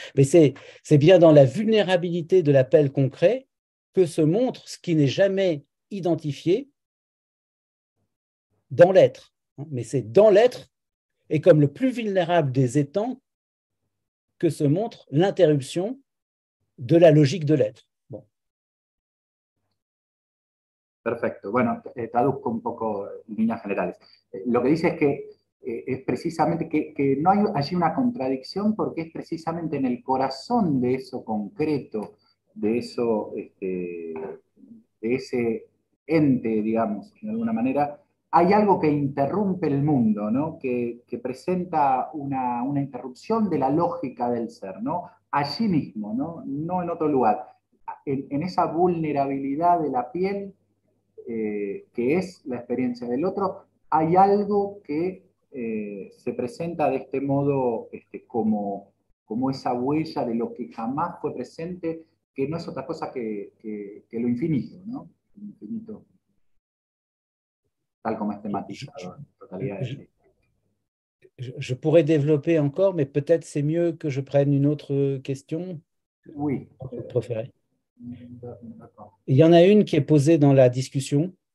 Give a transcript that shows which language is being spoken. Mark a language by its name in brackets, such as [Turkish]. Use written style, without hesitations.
[French] Mais c'est bien dans la vulnérabilité de l'appel concret que se montre ce qui n'est jamais identifié dans l'être. Mais c'est dans l'être et comme le plus vulnérable des étangs que se montre l'interruption de la logique de l'être. [Spanish] Perfecto. Bueno, traduzco un poco en líneas generales. Lo que dice es que es precisamente que no hay allí una contradicción porque es precisamente en el corazón de eso concreto, de eso, de ese ente, digamos, de alguna manera, hay algo que interrumpe el mundo, ¿no? Que presenta una interrupción de la lógica del ser, ¿no? Allí mismo, ¿no? No en otro lugar. En esa vulnerabilidad de la piel. Que es la experiencia del otro, hay algo que se presenta de este modo como esa huella de lo que jamás fue presente, que no es otra cosa que lo infinito, ¿no? El infinito, tal como es tematizado en totalidad del texto. [French] Je pourrais développer encore, mais peut-être c'est mieux que je prenne une autre question, Oui. préférée. D'accord. Il y en a une qui est posée dans la discussion.